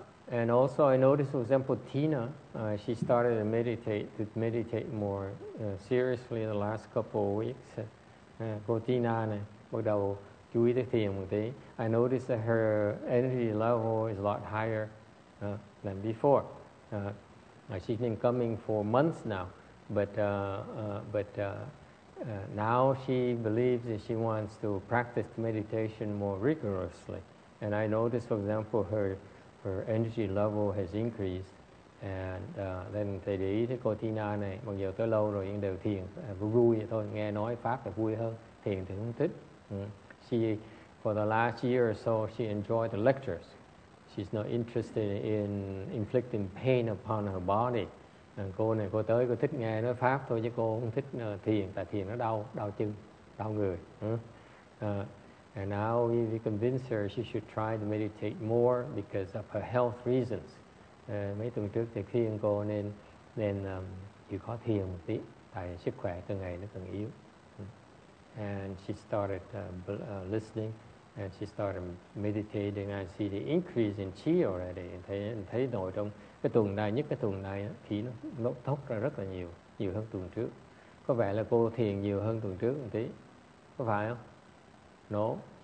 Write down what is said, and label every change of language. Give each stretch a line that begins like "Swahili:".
English: And also I noticed, for example, Tina, she started to meditate more seriously the last couple of weeks.
Vietnamese: Cô Tina này bắt đầu chú ý tới thiền một tí.
English: I noticed that her energy level is a lot higher than before. She's been coming for months now, but now she believes that she wants to practice meditation more rigorously. And I noticed, for example, her energy level has increased. And then
Vietnamese: thầy để ý thấy cô Tina này, mặc dù tới lâu rồi nhưng đều thiền vui vậy thôi, nghe nói pháp là vui hơn, thiền thì không thích.
English: She, for the last year or so, she enjoyed the lectures. She's not interested in inflicting pain upon her body.
Vietnamese: Cô này cô tới cô thích nghe nói pháp thôi chứ cô không thích thiền, tại thiền nó đau, đau chân, đau người.
English: And now we convince her she should try to meditate more because of her health reasons.
Vietnamese: Mấy tuần trước thì khuyên cô nên chịu khó thiền một tí, tại sức khỏe từng ngày nó càng yếu.
English: And she started listening, and she started meditating. I see the increase in qi already.
Vietnamese: Thấy nổi trong cái tuần này khí nó thốc ra rất là nhiều hơn tuần trước. Có vẻ là cô thiền nhiều hơn tuần trước một tí, có phải không?
English: No.